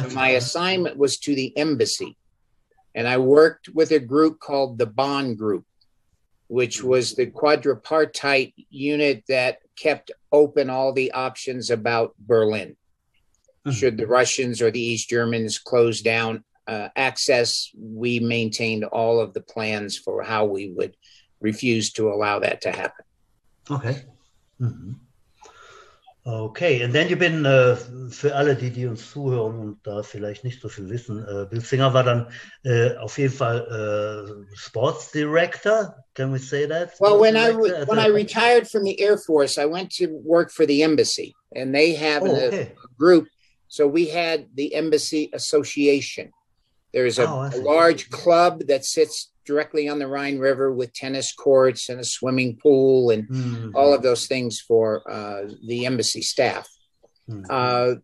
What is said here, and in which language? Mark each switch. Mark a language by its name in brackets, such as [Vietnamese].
[English] so my assignment was to the embassy. And I worked with a group called the Bonn Group, which was the quadripartite unit that kept open all the options about Berlin. Should the Russians or the East Germans close down access, we maintained all of the plans for how we would refuse to allow that to happen. Okay. Mm-hmm. Okay, and then you've been, [German] für alle, die uns zuhören und da vielleicht nicht so viel wissen, Bill Singer war dann auf jeden Fall Sports Director, [English] can we say that? Well, when I retired from the Air Force, I went to work for the embassy, and they have a group. So we had the Embassy Association. There is a large club that sits directly on the Rhine River with tennis courts and a swimming pool and all of those things for the embassy staff. Mm-hmm.